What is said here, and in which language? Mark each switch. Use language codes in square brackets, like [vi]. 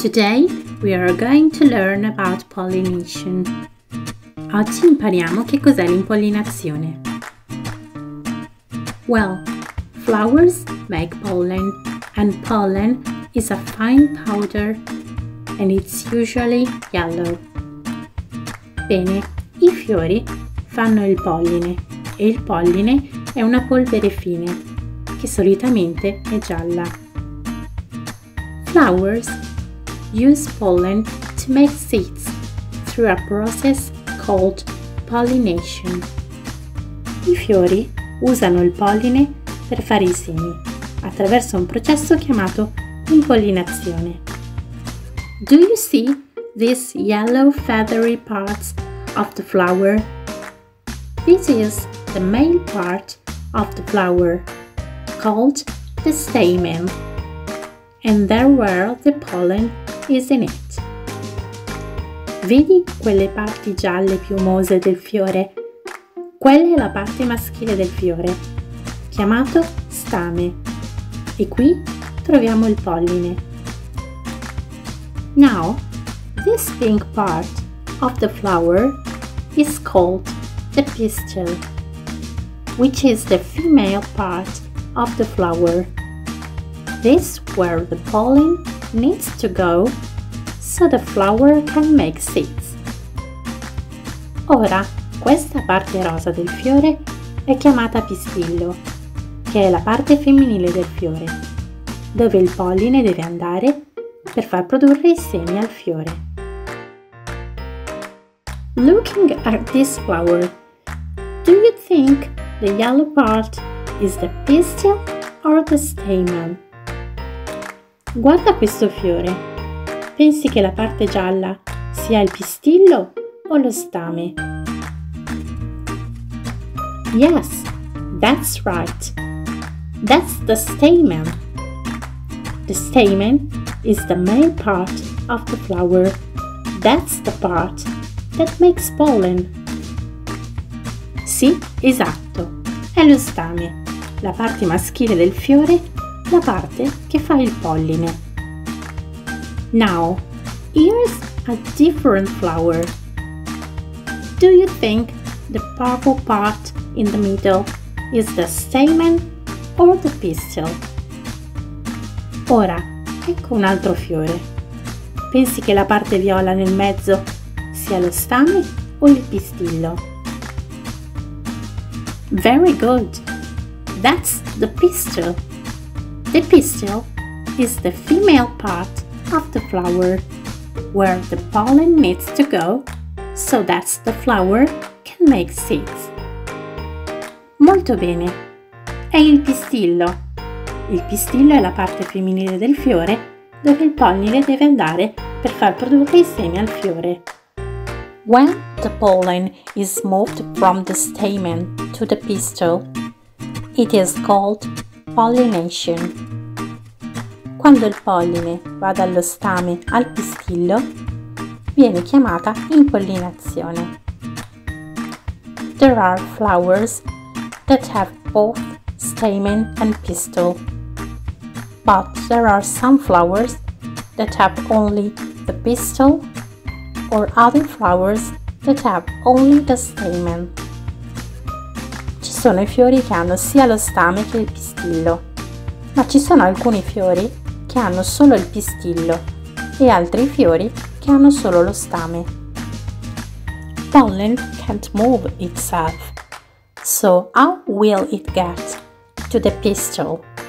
[en] Today we are going to learn about pollination. [it] Oggi impariamo che cos'è l'impollinazione. [en] Well, flowers make pollen, and pollen is a fine powder and it's usually yellow. [it] Bene, i fiori fanno il polline e il polline è una polvere fine che solitamente è gialla. [en] Flowers use pollen to make seeds through a process called pollination. [it] I fiori usano il polline per fare i semi attraverso un processo chiamato impollinazione. [en] Do you see these yellow feathery parts of the flower? This is the main part of the flower, called the stamen, and there where the pollen is in it. [it] Vedi quelle parti gialle piumose del fiore? Quella è la parte maschile del fiore, chiamato stame. E qui troviamo il polline. [en] Now, this pink part of the flower is called the pistil, which is the female part of the flower. This where the pollen needs to go so the flower can make seeds. [it] Ora, questa parte rosa del fiore è chiamata pistillo, che è la parte femminile del fiore, dove il polline deve andare per far produrre i semi al fiore. [en] Looking at this flower, do you think the yellow part is the pistil or the stamen? [it] Guarda questo fiore. Pensi che la parte gialla sia il pistillo o lo stame? [en] Yes, that's right. That's the stamen. The stamen is the main part of the flower. That's the part that makes pollen. [it] Sì, esatto. È lo stame, la parte maschile del fiore, la parte che fa il polline. [en] Now, here's a different flower. Do you think the purple part in the middle is the stamen or the pistil? [it] Ora, ecco un altro fiore. Pensi che la parte viola nel mezzo sia lo stame o il pistillo? [en] Very good. That's the pistil. The pistil is the female part of the flower, where the pollen needs to go so that the flower can make seeds. [it] Molto bene. È il pistillo. Il pistillo è la parte femminile del fiore dove il polline deve andare per far produrre i semi al fiore. [en] When the pollen is moved from the stamen to the pistil, it is called pollination. [it] Quando il polline va dallo stame al pistillo, viene chiamata impollinazione. [en] There are flowers that have both stamen and pistil, but there are some flowers that have only the pistil, or other flowers that have only the stamen. [it] Ci sono i fiori che hanno sia lo stame che il pistillo, ma ci sono alcuni fiori che hanno solo il pistillo e altri fiori che hanno solo lo stame. [en] Pollen can't move itself, so how will it get to the pistil?